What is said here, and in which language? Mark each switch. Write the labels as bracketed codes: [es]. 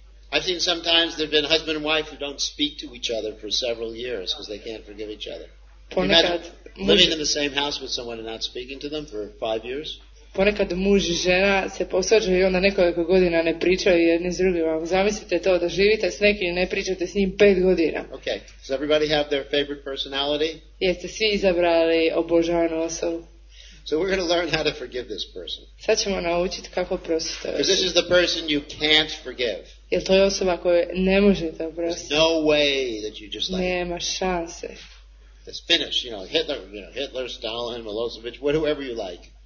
[en] I've seen sometimes there've been husband and wife who don't speak to each other for several years because they can't forgive each other. [hr] Ponekad [en] can you imagine living in the same house with someone and not speaking to them for 5 years? [hr] Ponekad muž i žena se posvađaju i onda nekoliko godina ne pričaju jedni s drugima. Zamislite to, da živite s nekim i ne pričate s njim 5 godina. [en] Okay, does everybody have their favorite personality? [hr] Jeste svi izabrali obožavanu osobu. [en] So we're going to learn how to forgive this person. [hr] Sad ćemo naučiti kako oprostiti. [en] Because this is the person you can't forgive. [hr] Jer to je osoba koju ne možete oprostiti. [en] There's no way that you just like... [hr] Nema šanse. [en] It's finished, Hitler, Stalin, Milosevic, whatever you like.